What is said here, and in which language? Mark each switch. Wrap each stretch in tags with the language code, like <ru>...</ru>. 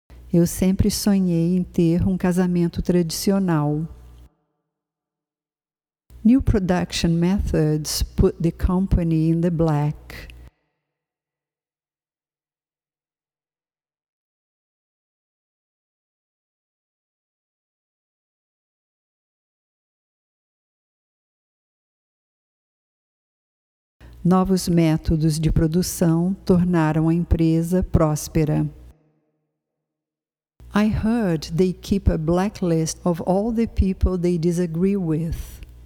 <pt>Eu sempre sonhei em ter um casamento tradicional.</pt> <en>New production methods put the company in the black.</en> <pt>Novos métodos de produção tornaram a empresa próspera.</pt> <en>I heard they keep a blacklist of all the people they disagree with.</en>